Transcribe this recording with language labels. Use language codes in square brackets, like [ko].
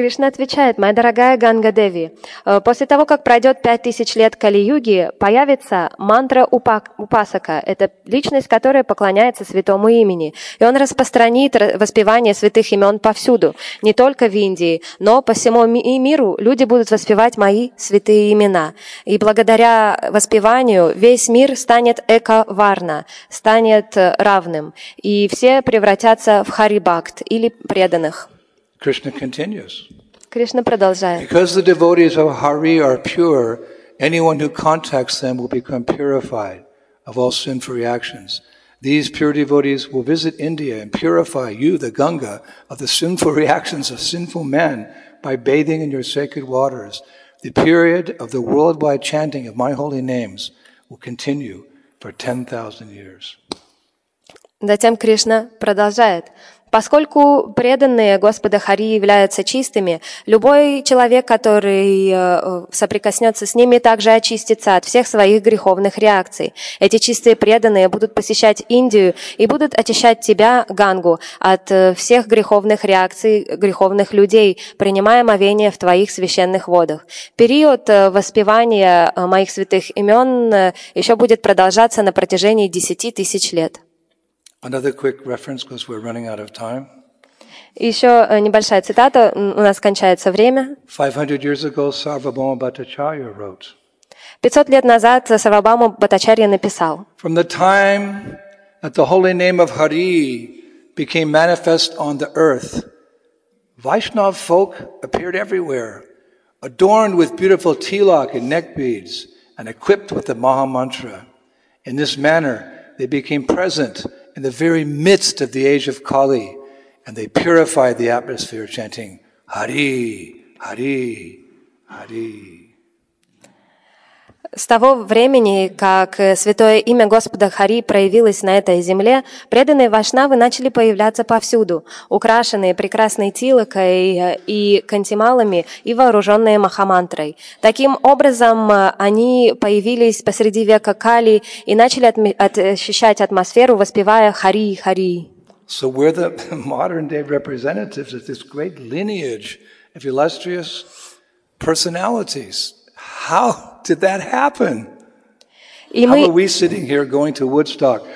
[ru] Кришна отвечает: «Моя дорогая Ганга Деви, после того, как пройдет 5000 лет Кали-юги, появится мантра Упасака, это личность, которая поклоняется святому имени, и он распространит воспевание святых имен повсюду, не только в Индии, но по всему миру люди будут воспевать мои святые имена. И благодаря воспеванию весь мир станет эко-варна, станет равным, и все превратятся в харибакт или преданных». [en] Krishna continues. [ru] Кришна продолжает. [en] Because the devotees of Hari are pure, anyone who contacts them will become purified of all sinful reactions. These pure devotees will visit India and purify you, the Ganga, of the sinful reactions of sinful men by bathing in your sacred waters. The period of the worldwide chanting of my holy names will continue for 10,000 years. [ru] Затем Кришна продолжает. Поскольку преданные Господа Хари являются чистыми, любой человек, который соприкоснется с ними, также очистится от всех своих греховных реакций. Эти чистые преданные будут посещать Индию и будут очищать тебя, Гангу, от всех греховных реакций греховных людей, принимая омовение в твоих священных водах. Период воспевания моих святых имен еще будет продолжаться на протяжении 10,000 лет. [en] Another quick reference because we're running out of time. [ru] Еще небольшая цитата, у нас кончается время. [en] 500 years ago Sarvabhauma Bhattacharya wrote. [ru] 500 лет назад Сарвабхаума Бхаттачарья написал. [en] From the time that the holy name of Hari became manifest on the earth, Vaishnav folk appeared everywhere, adorned with beautiful tilak and neck beads and equipped with the Maha Mantra. In this manner they became present in the very midst of the age of Kali, and they purified the atmosphere chanting Hari, Hari, Hari. [ru] С того времени, как святое имя Господа Хари проявилось на этой земле, преданные вайшнавы начали появляться повсюду, украшенные прекрасной тилакой и кантималами и вооруженные махамантрой. Таким образом, они появились посреди века Кали и начали ощущать атмосферу, воспевая Хари, Хари. [en] So we're the modern-day representatives of this great lineage of illustrious personalities. How did that happen? How are we sitting here going to Woodstock?